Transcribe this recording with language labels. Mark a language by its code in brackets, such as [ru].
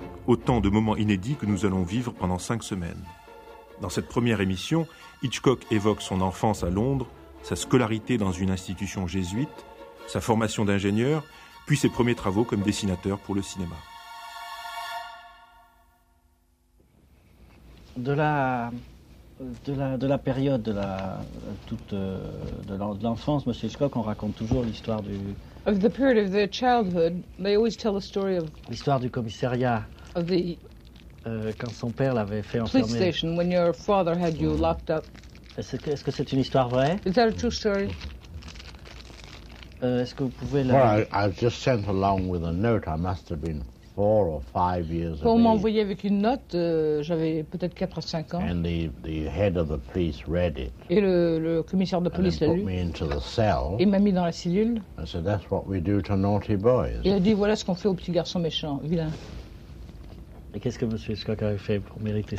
[fr] Autant de moments inédits que nous allons vivre pendant 5 semaines. Dans cette première émission, Hitchcock évoque son enfance à Londres, sa scolarité dans une institution jésuite, sa formation d'ingénieur, puis ses premiers travaux comme dessinateur pour le cinéma. De la période de la toute de l'enfance, Monsieur Hitchcock, on raconte toujours l'histoire du. [en] Of the period of their childhood, they always tell the story of. [fr] L'histoire du commissariat. [en] Of the. [fr] Quand son père l'avait fait enfermer. [en] Police station, when your father had you locked up. [fr] Est-ce que c'est une histoire vraie? [en] Is that a true story? [fr] Est-ce que vous pouvez la. [en] Well, I was just sent along with a note. I must have been 4 or 5 years old. [fr] Pour m'envoyer avec une note, j'avais peut-être 4 ou 5 ans. [en] And the head of the police read it. [fr] Et le commissaire de police l'a lu. [en] And put me into the cell. [fr] Il m'a mis dans la cellule. [en] I said, that's what we do to naughty boys. [fr] Il a dit, voilà ce qu'on fait aux petits garçons méchants, vilains. Et qu'est-ce que M. Hitchcock avait fait pour mériter